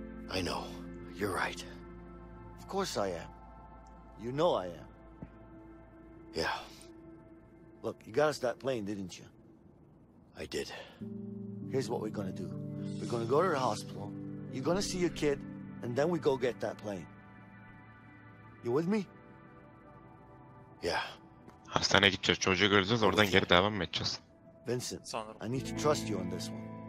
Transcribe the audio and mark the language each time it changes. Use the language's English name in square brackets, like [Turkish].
[English] I know, you're right. Of course I am. You know I am. Yeah. Look, you got us that plane, didn't you? I did. Here's what we're gonna do. We're gonna go to the hospital, you're gonna see your kid, and then we go get that plane. You with me? Yeah. [Turkish] Hastaneye gideceğiz, çocuğu göreceğiz, oradan geri devam mı edeceğiz? [English] Vincent, I need to trust you on this one.